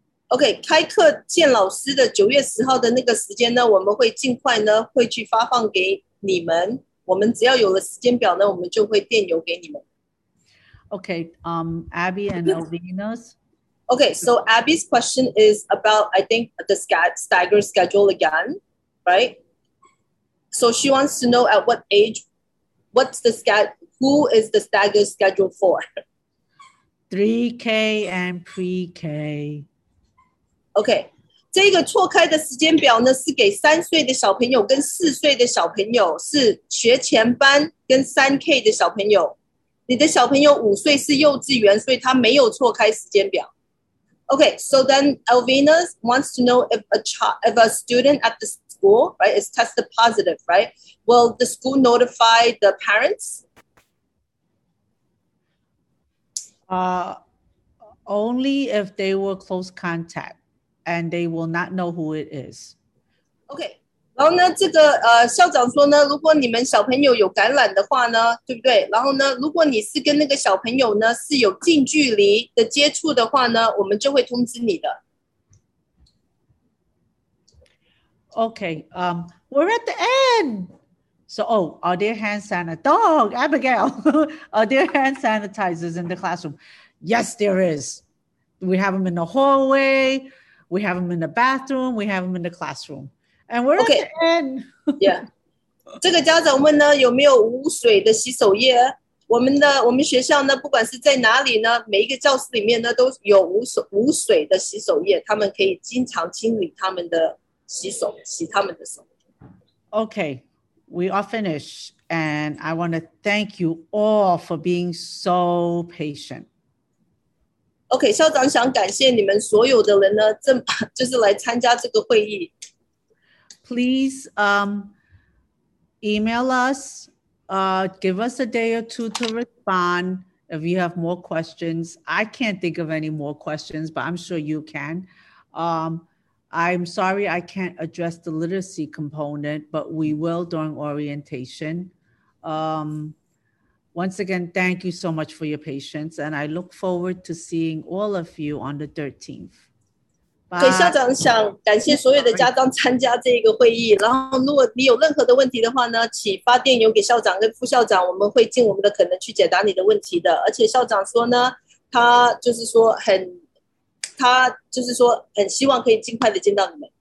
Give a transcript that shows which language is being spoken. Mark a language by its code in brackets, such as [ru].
[zh] Okay, 开课见老师的9月10号的那个时间呢，我们会尽快呢，会去发放给你们。我们只要有了时间表呢，我们就会电邮给你们。 [en] Okay, Abby and Alvina's. Okay, so Abby's question is about, I think, the stagger schedule again. Right? So she wants to know at what age, who is the staggered schedule for? 3K and pre-K. Okay. [zh] 这个错开的时间表呢是给三岁的小朋友跟四岁的小朋友是学前班跟 3K 的小朋友。你的小朋友五岁是幼稚园所以他没有错开时间表。 [en] Okay, so then Alvina wants to know if a student at the school, right, is tested positive, right? Will the school notify the parents? Only if they were close contact and they will not know who it is. [zh] Okay, 然后呢，这个校长说呢，如果你们小朋友有感染的话呢，对不对？然后呢，如果你是跟那个小朋友呢是有近距离的接触的话呢，我们就会通知你的。 [en] Okay, we're at the end. So, are there hand sanitizers? Dog, Abigail, are there hand sanitizers in the classroom? Yes, there is. We have them in the hallway. We have them in the bathroom. We have them in the classroom. And we're okay. At the end. Yeah. [zh] 这个家长问呢，有没有无水的洗手液？我们学校呢，不管是在哪里呢，每一个教室里面呢，都有无水的洗手液，他们可以经常清理他们的洗手，洗他们的手。 [en] Okay, we are finished, and I want to thank you all for being so patient. [zh] Okay, 校长想感谢你们所有的人呢，就是来参加这个会议。 [en] Please email us, give us a day or two to respond if you have more questions. I can't think of any more questions, but I'm sure you can. I'm sorry I can't address the literacy component, but we will during orientation. Once again, thank you so much for your patience, and I look forward to seeing all of you on the 13th. [zh] 对，校长想感谢所有的家长参加这个会议。然后，如果你有任何的问题的话呢，请发电邮给校长跟副校长，我们会尽我们的可能去解答你的问题的。而且，校长说呢，他就是说很，他就是说很希望可以尽快的见到你们。